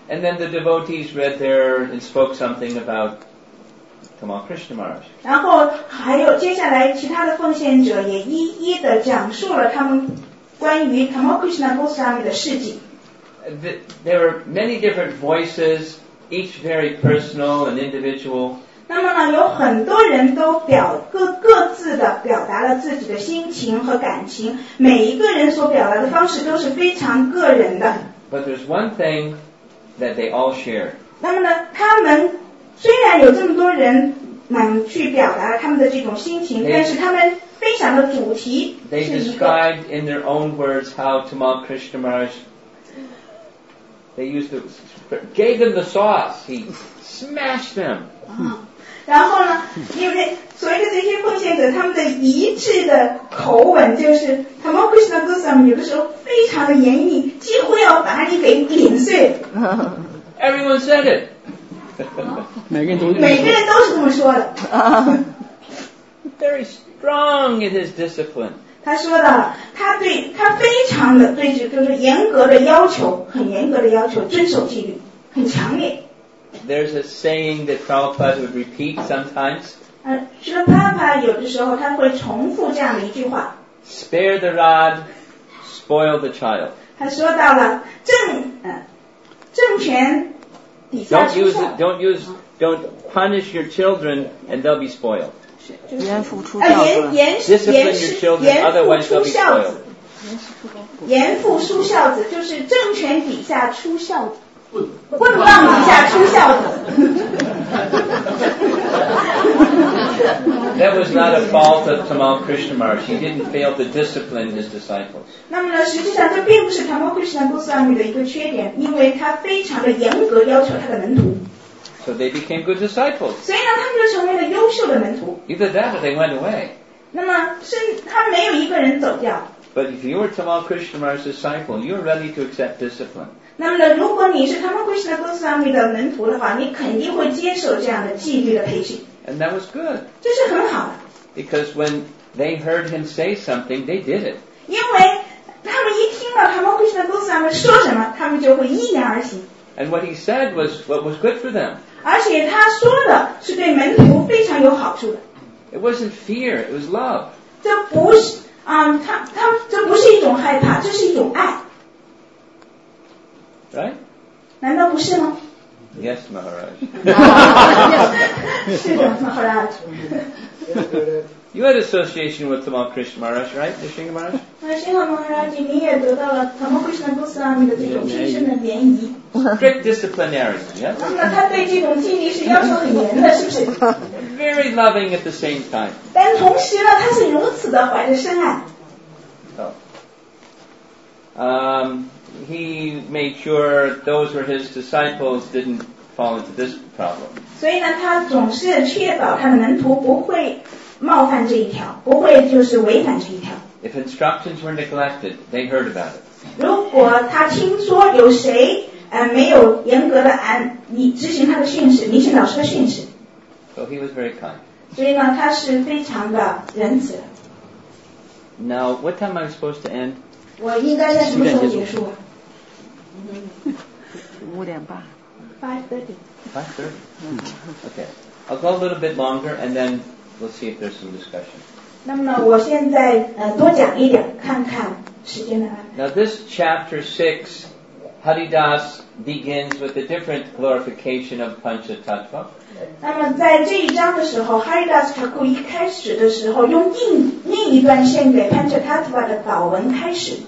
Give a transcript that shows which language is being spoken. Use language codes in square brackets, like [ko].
[en] And then the devotees read there and spoke something about Tamal Krishna Maharaj. [zh] 然后还有接下来其他的奉献者也一一的讲述了他们关于 Tamal Krishna Goswami 的事迹。 [en] There were many different voices, each very personal and individual. [zh] 那么呢，有很多人都各自的表达了自己的心情和感情，每一个人所表达的方式都是非常个人的。 [en] But there's one thing that they all share. [zh] 那么呢，他们虽然有这么多人去表达他们的这种心情 [en] they, [zh] 但是他们非常的主题是一个 [en] They described in their own words how Tamal Krishna Maharaj they used the gave them the sauce he smashed them、 [zh] 然后呢因为所谓的这些奉献者他们的一致的口吻就是 Tamal Krishna Goswami 有的时候非常的严厉几乎要把你给碾碎 [en] Everyone said it [zh] 每个人都是这么说的。 [en] Very strong in his discipline. [zh] 他说到了，他非常的对，就是严格的要求，很严格的要求，遵守纪律，很强烈。 [en] There's a saying that Prabhupada would repeat sometimes. [zh] 是的，帕帕有的时候他会重复这样的一句话。 [en] Spare the rod, spoil the child. [zh] 他说到了政权。 [en] Don't punish your children and they'll be spoiled. [zh] 严父出孝子。 Discipline your children, otherwise they'll be spoiled. 严父出孝子就是政权底下出孝子。棍棒底下出孝子。 [en] That was not a fault of Tamal Krishna Maharaj. He didn't fail to discipline his disciples. [zh] 那么呢，实际上这并不是 Tamal Krishna Goswami 的一个缺点，因为他非常的严格要求他的门徒。 [en] So they became good disciples. [zh] 所以呢，他们就成为了优秀的门徒。 [en] Either that or they went away. [zh] 那么是他没有一个人走掉。 [en] But if you were Tamal Krishna Maharaj's disciple, you were ready to accept discipline. [zh] 那么呢，如果你是 Tamal Krishna Goswami 的门徒的话，你肯定会接受这样的纪律的培训。 [en] And that was good. [zh] 这是很好的。 [en] Because when they heard him say something, they did it. [zh] 因为他们一听了 Tamal Krishna Goswami 说什么，他们就会依言而行。 [en] And what he said was what was good for them. [zh] 而且他说的是对门徒非常有好处的。 [en] It wasn't fear, it was love. [zh] 这不是这不是一种害怕，这是一种爱。 [en] Right? [zh] 难道不是吗？ [en] Yes, Maharaj. [zh] 是的 Maharaj. [en] You had association with Tamal Krishna Maharaj, right, Nishinga Maharaj? [zh] Nishinga Maharaj, 你也得到了 Tamal Krishna Goswami 的这种深深的联谊。 [en] Strict disciplinarian, yes? [zh] 那他对这种纪律是要求很严的，是不是？ [en] very loving at the same time. [zh] 但同时呢，他是如此的怀着深爱。 [en] He made sure those were his disciples didn't fall into this problem. [zh] 所以呢，他总是确保他的门徒不会冒犯这一条，不会就是违反这一条。 [en] If instructions were neglected, they heard about it. [zh] 如果他听说有谁没有严格的你执行他的训示，你是老师的训示。 [en] So he was very kind. [zh] 所以呢，他是非常的仁慈。 [en] Now, what time am I supposed to end? [zh] 我应该在什么时候结束啊？五点半。 [en] 5:30 Okay. I'll go a little bit longer and then we'll see if there's some discussion. [zh] 那么呢，我现在多讲一点，看看时间的安排。 [en] Now this chapter 6, Haridas begins with a different glorification of Panchatattva. [zh] 那么在这一章的时候 ，Haridas Thakur 一开始的时候，用另一段献给 Panchatattva 的祷文开始。